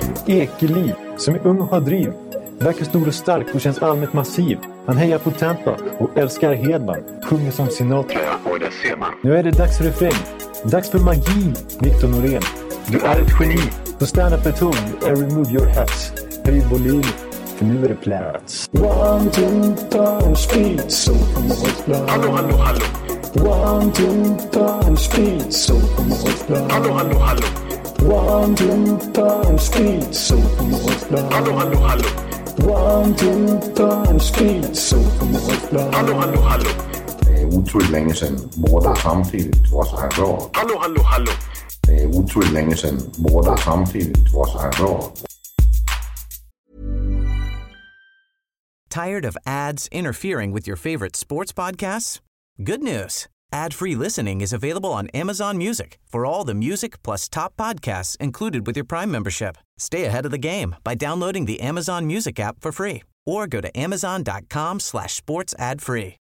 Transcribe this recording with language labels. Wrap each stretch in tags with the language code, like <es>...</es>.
<sv>Ekeliv, som är ung och har driv. Verkar stor och stark och känns allmänt massiv. Han hejar på Tampa och älskar Hedman. Sjunger som Sinatra. Ja, och det ser man. Nu är det dags för refräng. Dags för magi, Victor Norén. Du är ett geni.</sv> <en>Så stand up at home and remove your hats.</en> <sv>Höj volym, för nu är det plats.</sv> <en>One, two, time, speed, so come on.</en> <sv>Hallå, hallå, hallå.</sv> <en>One, two, time, speed, so come on. Hallå, hallå, hallå. One, two, time, speed, so come on.</en> <sv>Hallå, hallå, hallå.</sv> <en>One, two, time, speed, so come</en> <sv>on. Hallå, hallå, hallå. Det är otroligt länge samtidigt var så här bra. Hallå, hallå, hallå. Det är otroligt länge sedan båda samtidigt var så här bra.</sv> <en>Tired of ads interfering with your favorite sports podcasts? Good news. Ad-free listening is available on Amazon Music for all the music plus top podcasts included with your Prime membership. Stay ahead of the game by downloading the Amazon Music app for free or go to amazon.com/sportsadfree.</en>